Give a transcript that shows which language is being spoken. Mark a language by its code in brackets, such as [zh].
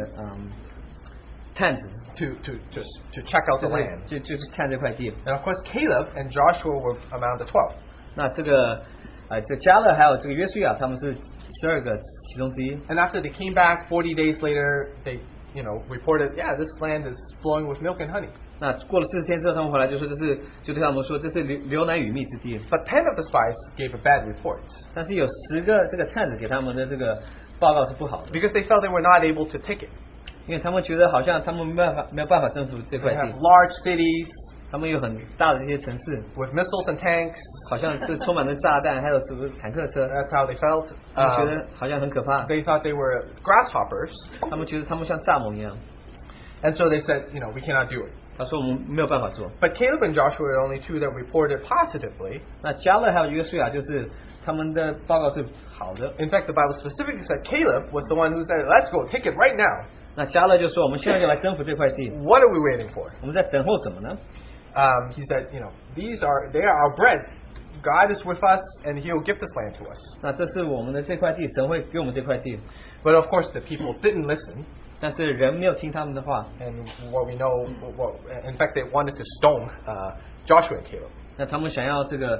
[zh] 那这个神就叫摩西差派十二个这个探子 [en] to check out the land. [zh] 就探这块地。 [en] And of course, Caleb and Joshua were among the 12. [zh] 那这个加勒还有这个约书亚，他们是十二个其中之一。 [en] And after they came back 40 days later, they, you know, reported, yeah, this land is flowing with milk and honey. [zh] 那过了40天之后，他们回来就说这是，就对他们说这是牛奶与蜜之地。 [en] But 10 of the spies gave a bad report. [zh] 但是有10个这个探子给他们的这个报告是不好的。 [en] Because they felt they were not able to take it. [zh] 因为他们觉得好像他们没有办法征服这块地。 [en] They have large cities. [zh] 他们有很大的这些城市。 [en] With missiles and tanks. [zh] 好像是充满了炸弹，还有什么坦克车。 [en] That's how they felt. [zh] 他们觉得好像很可怕。 [en] They thought they were grasshoppers. [zh] 他们觉得他们像蚱蜢一样。 [en] And so they said, you know, we cannot do it. [zh] 他说我们没有办法做。 [en] But Caleb and Joshua are only two that reported positively. [zh] 那加勒还有约书亚就是他们的报告是好的。 [en] In fact, the Bible specifically said Caleb was the one who said, let's go, take it right now. [zh] 那加勒就说我们现在就来征服这块地。 [en] What are we waiting for? [zh] 我们在等候什么呢? [en] He said, you know, they are our bread. God is with us and he'll give this land to us. [zh] 那这是我们的这块地，神会给我们这块地。 [en] But of course, the people didn't listen. [zh] 但是人没有听他们的话, [en] and what we know, what, in fact, they wanted to stone Joshua and Caleb.